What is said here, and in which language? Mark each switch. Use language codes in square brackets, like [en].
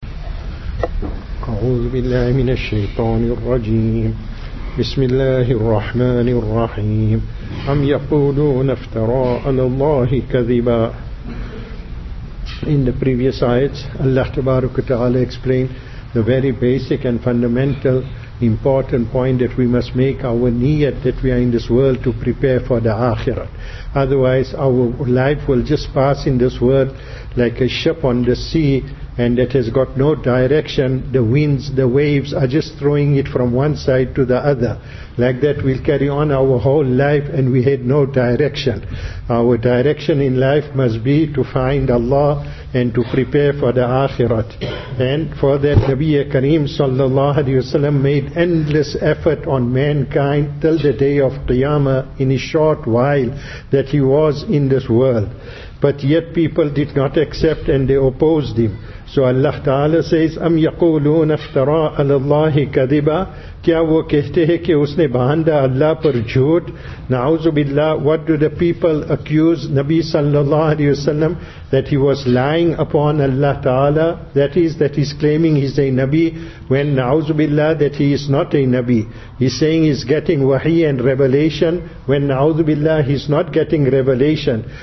[ar] أعوذ بالله من الشيطان الرجيم. بسم الله الرحمن الرحيم. أم يقولون افترى على الله كذبا. [en] In the previous ayats, Allah Tabaraka Ta'ala explained the very basic and fundamental important point that we must make our niyat that we are in this world to prepare for the akhirat. Otherwise our life will just pass in this world like a ship on the sea, and that has got no direction. The winds, the waves are just throwing it from one side to the other. Like that we'll carry on our whole life and we had no direction. Our direction in life must be to find Allah and to prepare for the akhirat. And for that Nabi Kareem sallallahu alayhi wasallam made endless effort on mankind till the day of Qiyamah in a short while that he was in this world. But yet people did not accept and they opposed him. So Allah Ta'ala says, [ar] أَمْ يَقُولُونَ افْتَرَىٰ عَلَى اللَّهِ كَذِبًا. [ur] کیا وہ کہتے ہیں کہ اس نے باندھا اللہ پر جھوٹ. [ar] نعوذ باللہ. [en] What do the people accuse Nabi sallallahu alayhi wasallam that he was lying upon Allah Ta'ala? That is, that he's claiming he's a Nabi when [ar] نعوذ باللہ [en] that he is not a Nabi. He's saying he's getting wahi and revelation when [ar] نعوذ باللہ [en] he's not getting revelation.